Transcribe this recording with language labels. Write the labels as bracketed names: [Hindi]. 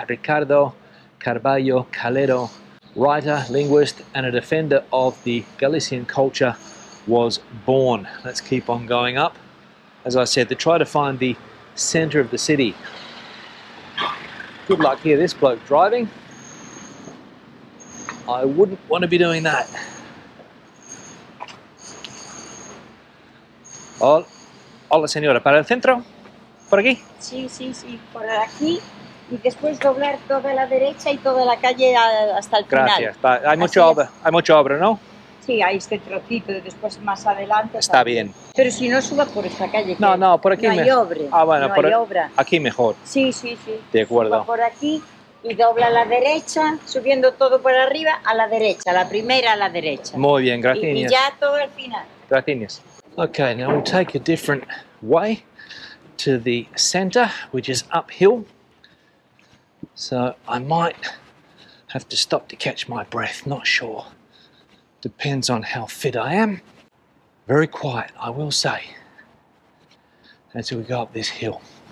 [English] Ricardo Carballo Calero, writer, linguist, and a defender of the Galician culture, was born. Let's keep on going up. As I said, to try to find the center of the city. Good luck here, this bloke driving. I wouldn't want to be doing that. [Spanish] Hola, señora, para el centro? Por aquí? Sí, sí, sí, por aquí. Y después doblar toda la derecha y toda la calle hasta el final. Gracias. Hay mucha obra, ¿no? Sí, hay este trocito, después más adelante. Está bien. Pero si no suba por esta calle. No, no, por aquí. No hay obra. Ah, bueno, no por hay obra. Aquí mejor. Sí, sí, sí. De acuerdo. Suba por aquí y dobla a la derecha, subiendo todo por arriba, a la derecha, la primera a la derecha. Muy bien, gracias. Y ya todo al final. Gracias. [English] Okay, now we'll take a different way to the center, which is uphill. So I might have to stop to catch my breath, not sure. Depends on how fit I am. Very quiet, I will say, as we go up this hill.